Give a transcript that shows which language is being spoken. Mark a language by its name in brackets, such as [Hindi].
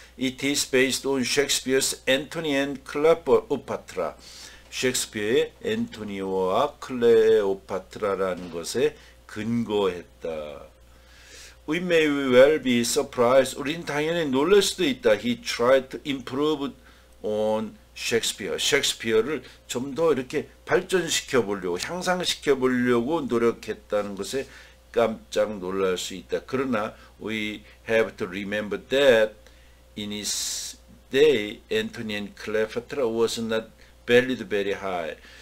[English] It is based on Shakespeare's Antony and Cleopatra. [Korean] 셰익스피어의 앤토니오와 클레오파트라라는 것의 근거했다. [English] We may well be surprised. [Korean] 우린 당연히 놀랄 수도 있다. [English] He tried to improve on Shakespeare. [Korean] 셰익스피어를 좀 더 이렇게 발전시켜 보려고, 향상시켜 보려고 노력했다는 것에 깜짝 놀랄 수 있다. 그러나 [English] we have to remember that in his day, Antony and Cleopatra was not valued very high.